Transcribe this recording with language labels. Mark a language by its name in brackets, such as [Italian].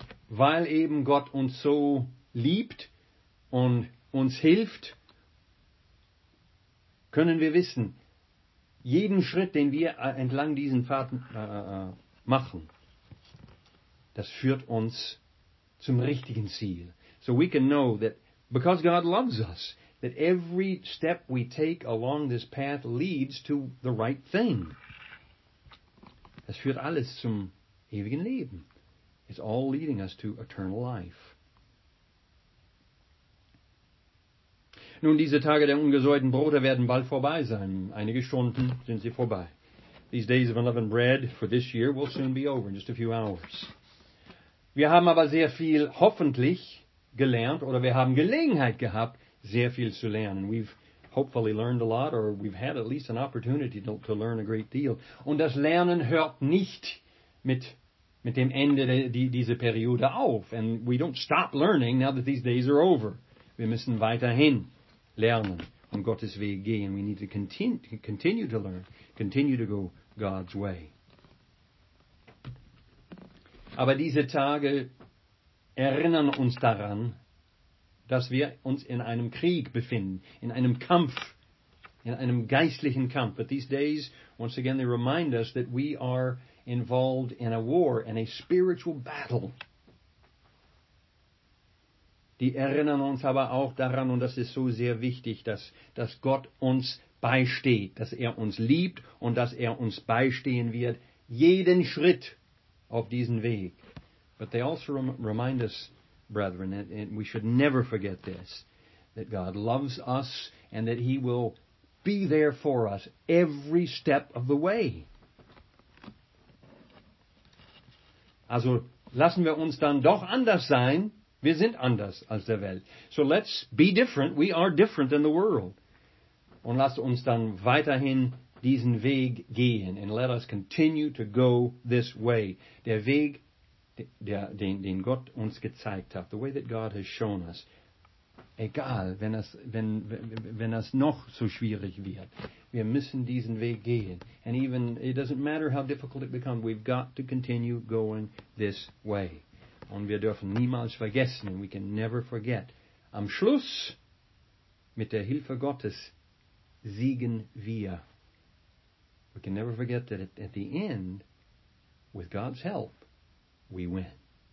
[German] Weil eben Gott uns so liebt und uns hilft, können wir wissen, jeden Schritt, den wir entlang diesen Pfaden machen, das führt uns zum richtigen Ziel. [English] So we can know that because God loves us, that every step we take along this path leads to the right thing. [German] Das führt alles zum ewigen Leben. [English] It's all leading us to eternal life. [German] Nun, diese Tage der ungesäuerten Brote werden bald vorbei sein. Einige Stunden sind sie vorbei. [English] These days of unleavened bread for this year will soon be over in just a few hours. [German] Wir haben aber sehr viel hoffentlich gelernt, oder wir haben Gelegenheit gehabt, sehr viel zu lernen. [English] We've hopefully learned a lot, or we've had at least an opportunity to learn a great deal. [German] Und das Lernen hört nicht mit dem Ende dieser Periode auf. [English] And we don't stop learning now that these days are over. [German] Wir müssen weiterhin lernen und Gottes Weg gehen. [English] We need to continue to learn, continue to go God's way. [German] Aber diese Tage erinnern uns daran, dass wir uns in einem Krieg befinden, in einem Kampf, in einem geistlichen Kampf. [English] But these days, once again, they remind us that we are involved in a war, in a spiritual battle. [German] die erinnern uns aber auch daran, und das ist so sehr wichtig, dass Gott uns beisteht, dass er uns liebt und dass er uns beistehen wird, jeden Schritt auf diesen Weg. [English] But they also remind us, brethren, and we should never forget this, that God loves us and that he will be there for us every step of the way. [German] Also, lassen wir uns dann doch anders sein. Wir sind anders als der Welt. [English] So let's be different. We are different than the world. [German] Und lasst uns dann weiterhin diesen Weg gehen. [English] And let us continue to go this way. [German] Der Weg, den Gott uns gezeigt hat. [English] The way that God has shown us. [German] Egal, wenn das noch so schwierig wird. Wir müssen diesen Weg gehen. [English] And even, it doesn't matter how difficult it becomes, we've got to continue going this way. [German] Und wir dürfen niemals vergessen, [English] and we can never forget. [German] Am Schluss, mit der Hilfe Gottes, siegen wir. [English] We can never forget that at the end, with God's help, we win.